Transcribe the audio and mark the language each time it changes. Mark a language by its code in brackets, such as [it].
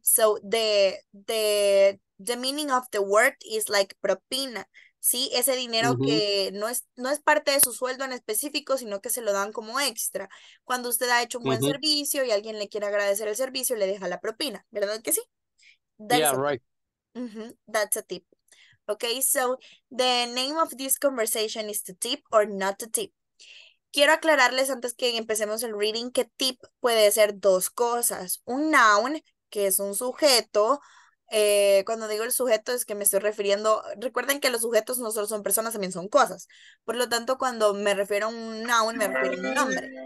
[en] So the meaning of the word is like propina. [es] Sí, ese dinero que no es parte de su sueldo en específico, sino que se lo dan como extra. Cuando usted ha hecho un buen servicio y alguien le quiere agradecer el servicio, le deja la propina, ¿verdad que sí? [en] That's yeah, right. That's a tip. Okay, so the name of this conversation is the tip or not the tip. [es] Quiero aclararles antes que empecemos el reading que tip puede ser dos cosas. Un noun, que es un sujeto, Cuando digo el sujeto es que me estoy refiriendo, recuerden que los sujetos no solo son personas, también son cosas. Por lo tanto, cuando me refiero a un noun, me refiero a un nombre.